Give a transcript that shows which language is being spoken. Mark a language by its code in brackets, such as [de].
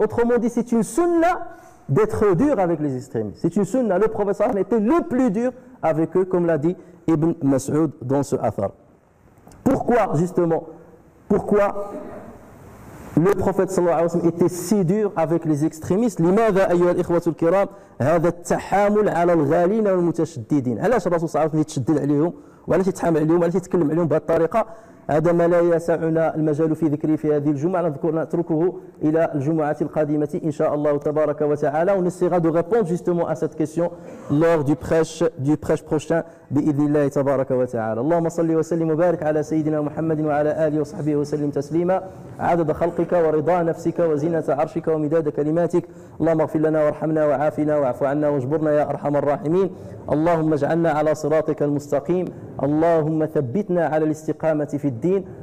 [fr] Autrement dit, c'est une sunna d'être dur avec les extrémistes. C'est une sunna. Le professeur était le plus dur avec eux, comme l'a dit Ibn Mas'ud dans ce athar. Pourquoi, justement, pourquoi le prophète [ar] sallallahu alayhi wa sallam [fr] était si dur avec les extrémistes? [ar] لماذا أيها الإخوة الكرام هذا التحامل على الغالين والمتشددين؟ علاش الرسول صلى الله عليه وسلم يتشدد عليهم؟ وعلاش يتحامل عليهم؟ وعلاش يتكلم عليهم بهذه الطريقة؟ هذا ما لا يسعنا المجال في ذكره في هذه الجمعة، نتركه إلى الجمعة القادمة إن شاء الله تبارك وتعالى. [fr] On essaiera de répondre justement à cette question lors du prêche prochain [ar] بإذن الله تبارك وتعالى. اللهم صل وسلم وبارك على سيدنا محمد وعلى آله وصحبه وسلم تسليما عدد خلقك ورضا نفسك وزينة عرشك ومداد كلماتك. اللهم اغفر لنا وارحمنا وعافنا واعف عنا واجبرنا يا أرحم الراحمين. اللهم اجعلنا على صراطك المستقيم، اللهم ثبتنا على الاستقامة في الدين،